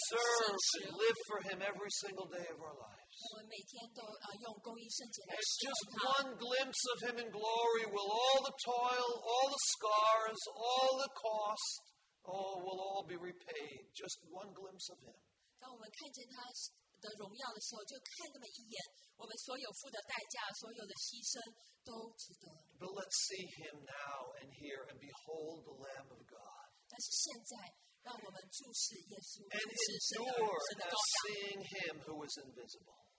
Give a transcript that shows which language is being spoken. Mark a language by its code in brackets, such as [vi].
[en] serve and live for Him every single day of our lives. It's just one glimpse of Him in glory will all the toil, all the scars, all the cost, oh, will all be repaid. Just one glimpse of Him. [zh] 当我们看见他的荣耀的时候，就看那么一眼，我们所有付的代价，所有的牺牲都值得。 [en] But let's see Him now and here and behold the Lamb of God. [zh] 但是现在, [en] And endure as seeing him who was invisible.